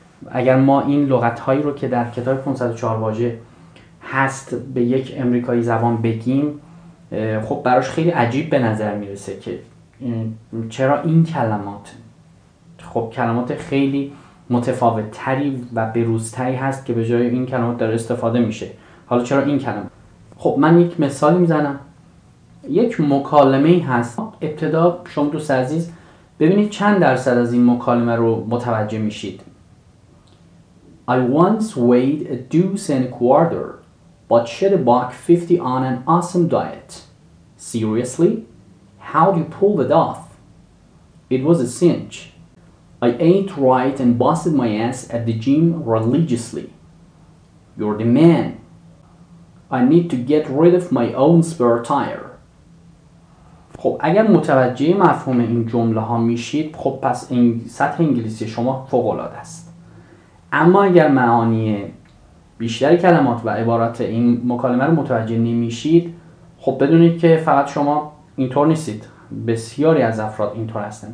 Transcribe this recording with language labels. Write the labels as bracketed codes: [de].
[fa] اگر ما این لغت هایی رو که در کتاب 504 واژه هست به یک امریکایی زبان بگیم خب براش خیلی عجیب به نظر میرسه که چرا این کلمات، خب کلمات خیلی متفاوت تری و بروزتری هست که به جای این کلمات داره استفاده میشه، حالا چرا این کلمات؟ خب من یک مثال میزنم. یک مکالمه هست، ابتدا شما دوست عزیز ببینید چند درصد از این مکالمه رو متوجه میشید. [en] I once weighed a deuce and a quarter but shed a buck 50 on an awesome diet. Seriously? How do you pull it off? It was a cinch. I ate right and busted my ass at the gym religiously. You're the man. I need to get rid of my own spare tire. [fa] خب اگر متوجه مفهوم این جمله ها میشید خب پس این سطح انگلیسی شما فوق العاده است. اما اگر معانی بیشتر کلمات و عبارات این مکالمه رو متوجه نمیشید خب بدونید که فقط شما اینطور نیستید، بسیاری از افراد اینطور هستن.